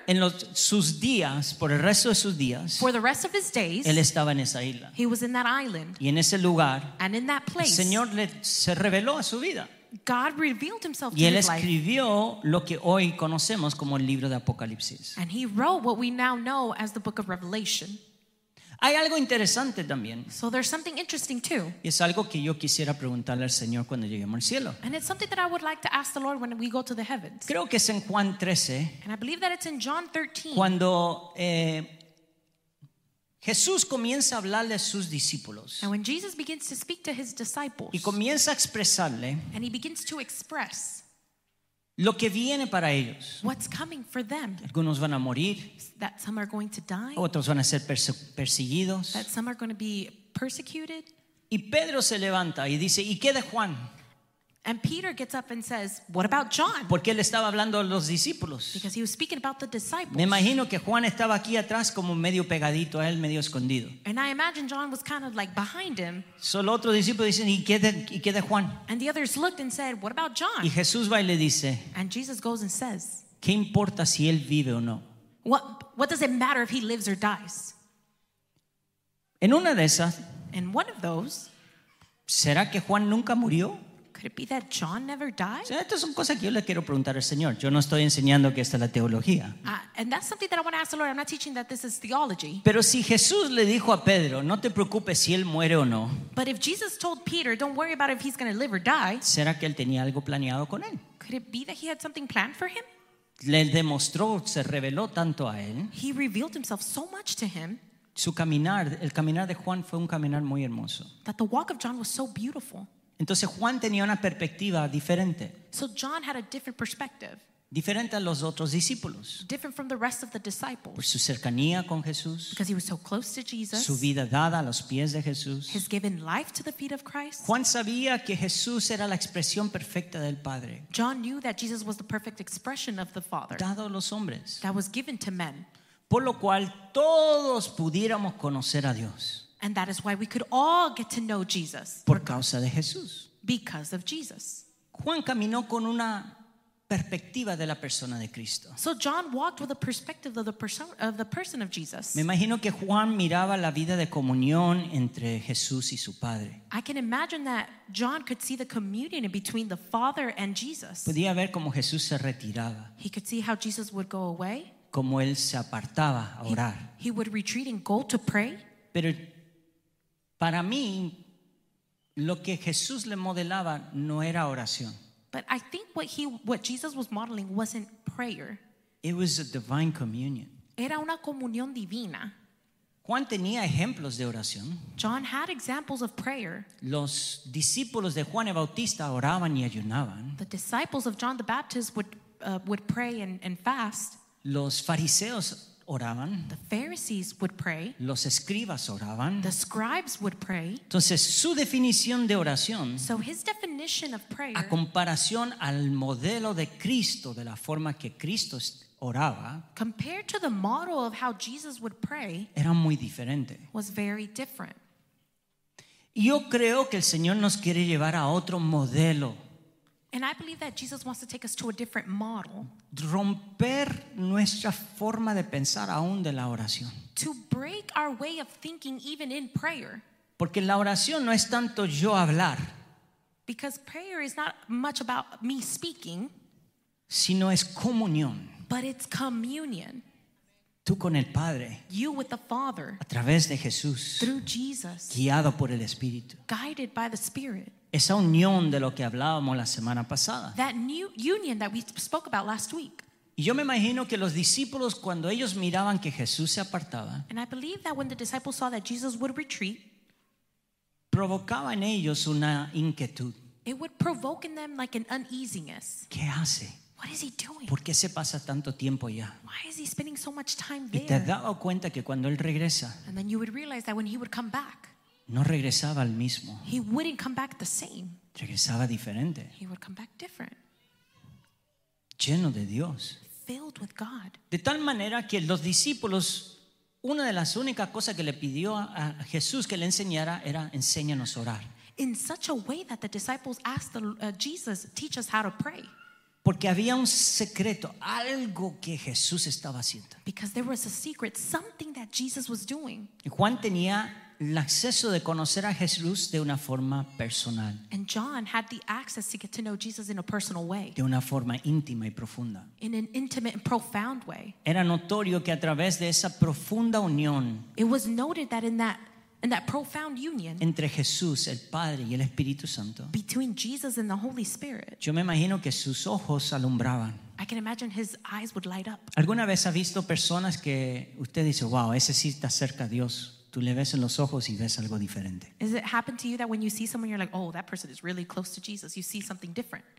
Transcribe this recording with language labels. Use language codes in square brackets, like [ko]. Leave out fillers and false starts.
[es] en sus días, por el resto de sus días, [en] for the rest of his days, [es] él estaba en esa isla. [en] He was in that island. [es] Y en ese lugar, [en] and in that place, [es] el Señor se reveló a su vida. [en] God revealed himself to him. [es] Y él escribió lo que hoy conocemos como el libro de Apocalipsis. [en] And he wrote what we now know as the book of Revelation. [es] Hay algo interesante también. [en] So there's something interesting too. [es] Y es algo que yo quisiera preguntarle al Señor cuando lleguemos al cielo. [en] And it's something that I would like to ask the Lord when we go to the heavens. [es] Creo que es en Juan 13. [en] And I believe that it's in John 13. [es] Cuando Jesús comienza a hablarle a sus discípulos. [en] And when Jesus begins to speak to his disciples, [es] y comienza a expresarle, [en] and he begins to express [es] Lo que viene para ellos. [en] What's coming for them? [es] Algunos van a morir. [en] That some are going to die. [es] Otros van a ser perseguidos. [en] That some are going to be persecuted. [es] Y Pedro se levanta y dice, ¿y qué de Juan? [en] And Peter gets up and says, what about John? [es] Porque él estaba hablando a los discípulos. [en] Because he was speaking about the disciples. [es] Me imagino que Juan estaba aquí atrás como medio pegadito a él, medio escondido. [en] And I imagine John was kind of like behind him. [es] Solo otro discípulo dice, ¿y qué de Juan? [en] And the others looked and said, what about John? [es] Y Jesús va y le dice, [en] and Jesus goes and says, [es] ¿qué importa si él vive o no? [en] What does it matter if he lives or dies? [es] En una de esas, [en] in one of those, [es] ¿será que Juan nunca murió? [en] Could it be that John never died? [es] O sea, estas son cosas que yo le quiero preguntar al Señor. Yo no estoy enseñando que esta es la teología. [en] And that's something that I want to ask the Lord. I'm not teaching that this is theology. [es] Pero si Jesús le dijo a Pedro, no te preocupes si él muere o no. [en] But if Jesus told Peter, don't worry about if he's going to live or die. [es] ¿Será que él tenía algo planeado con él? [en] Could it be that he had something planned for him? [es] Le demostró, se reveló tanto a él. [en] He revealed himself so much to him. [es] Su caminar, el caminar de Juan fue un caminar muy hermoso. [en] That the walk of John was so beautiful. [es] Entonces Juan tenía una perspectiva diferente. [en] So John had a different perspective. [es] Diferente a los otros discípulos. [en] Different from the rest of the disciples. [es] Por su cercanía con Jesús. [en] Because he was so close to Jesus. [es] Su vida dada a los pies de Jesús. [en] His given life to the feet of Christ. [es] Juan sabía que Jesús era la expresión perfecta del Padre. [en] John knew that Jesus was the perfect expression of the Father. [es] Dado a los hombres. [en] That was given to men. [es] Por lo cual todos pudiéramos conocer a Dios. [en] And that is why we could all get to know Jesus. [es] Por causa de Jesús. [en] Because of Jesus. [es] Juan caminó con una perspectiva de la persona de Cristo. [en] So John walked with a perspective of the person of Jesus. [es] Me imagino que Juan miraba la vida de comunión entre Jesús y su Padre. [en] I can imagine that John could see the communion between the Father and Jesus. [es] Podía ver cómo Jesús se retiraba. [en] He could see how Jesus would go away. [es] Cómo él se apartaba a orar. [en] He would retreat and go to pray. [es] Pero para mí, lo que Jesús le modelaba no era oración. [en] But I think what Jesus was modeling wasn't prayer. It was a divine communion. [es] Era una comunión divina. Juan tenía ejemplos de oración. [en] John had examples of prayer. [es] Los discípulos de Juan el Bautista oraban y ayunaban. [en] The disciples of John the Baptist would pray and fast. [es] Los fariseos oraban. [en] The Pharisees would pray. [es] Los escribas oraban. [en] The scribes would pray. [es] Entonces, su definición de oración, [en] so his definition of prayer, [es] a comparación al modelo de Cristo, de la forma que Cristo oraba, [en] compared to the model of how Jesus would pray, [es] era muy diferente. [en] Was very different. [es] Yo creo que el Señor nos quiere llevar a otro modelo. [en] And I believe that Jesus wants to take us to a different model. [es] Romper nuestra forma de pensar aún de la oración. [en] To break our way of thinking even in prayer. [es] Porque la oración no es tanto yo hablar. [en] Because prayer is not much about me speaking. [es] Sino es comunión. [en] But it's communion. [es] Tú con el Padre. [en] You with the Father. [es] A través de Jesús. [en] Through Jesus. [es] Guiado por el Espíritu. [en] Guided by the Spirit. [es] Esa unión de lo que hablábamos la semana pasada. [en] That new union that we spoke about last week. [es] Y yo me imagino que los discípulos cuando ellos miraban que Jesús se apartaba. [en] And I believe that when the disciples saw that Jesus would retreat. [es] Provocaba en ellos una inquietud. [en] It would provoke in them like an uneasiness. [es] ¿Qué hace? [en] What is he doing? [es] ¿Por qué se pasa tanto tiempo allá? [en] Why is he spending so much time there? [es] Y te daba cuenta que cuando él regresa. [en] And then you would realize that when he would come back. [es] No regresaba al mismo. [en] He wouldn't come back the same. [es] Regresaba diferente. [en] He would come back different. [es] Lleno de Dios. [en] Filled with God. [es] De tal manera que los discípulos, una de las únicas cosas que le pidió a Jesús que le enseñara era enséñanos a orar. [en] In such a way that the disciples asked Jesus, teach us how to pray. [es] Porque había un secreto, algo que Jesús estaba haciendo. [en] Because there was a secret, something that Jesus was doing. [es] Y Juan tenía el acceso de conocer a Jesús de una forma personal. [en] And John had the access to get to know Jesus in a personal way. [es] De una forma íntima y profunda. [en] In an intimate and profound way. [es] Era notorio que a través de esa profunda unión. [en] It was noted that in that profound union. [es] Entre Jesús, el Padre y el Espíritu Santo. [en] Between Jesus and the Holy Spirit. [es] Yo me imagino que sus ojos alumbraban. [en] I can imagine his eyes would light up. [es] ¿Alguna vez ha visto personas que usted dice, wow, ese sí está cerca a Dios? tú le ves en los ojos y ves algo diferente. [en] Has it happened to you that when you see someone you're like, oh, that person is really close to Jesus, you see something different?